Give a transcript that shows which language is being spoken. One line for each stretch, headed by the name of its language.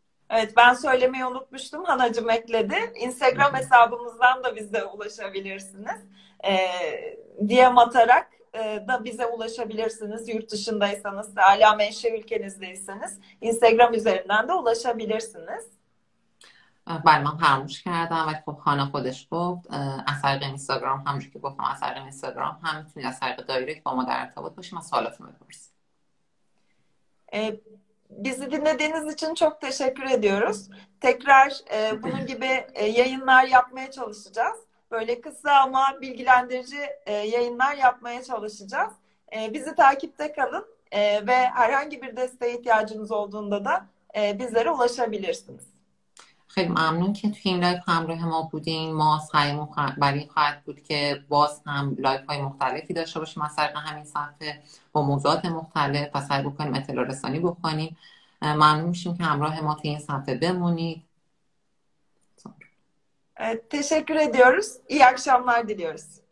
Turkish: Evet, ben söylemeyi unutmuştum. Hanacım ekledi. Instagram hesabımızdan da bize ulaşabilirsiniz. DM atarak da bize ulaşabilirsiniz. Yurt dışındaysanız, hala menşe ülkenizdeyseniz Instagram üzerinden de ulaşabilirsiniz.
Persian: بله من فراموش کردم، ولی خب خانه خودش گفت از طریق اینستاگرام، همونجور که گفتم از طریق اینستاگرام هم میتونید از طریق دایرکت با ما در ارتباط باشید و سوالاتتون رو بپرسید.
Turkish: Bizi dinlediğiniz için çok teşekkür ediyoruz. Tekrar bunun gibi yayınlar yapmaya çalışacağız. Böyle kısa ama bilgilendirici yayınlar yapmaya çalışacağız. Bizi takipte kalın ve herhangi bir desteğe ihtiyacınız olduğunda da bizlere ulaşabilirsiniz.
Persian: خیلی ممنون که توی این لایف همراه ما بودین. ما سعیمون برای این خواهد بود که باز هم لایف های مختلفی داشته باشیم از طریق همین صفحه با موضوعات مختلف و سعی بکنیم اطلاع رسانی بکنیم. ممنون میشیم که همراه ما توی این صفحه بمونید.
Turkish: تشکر ediyoruz. İyi akşamlar diliyoruz.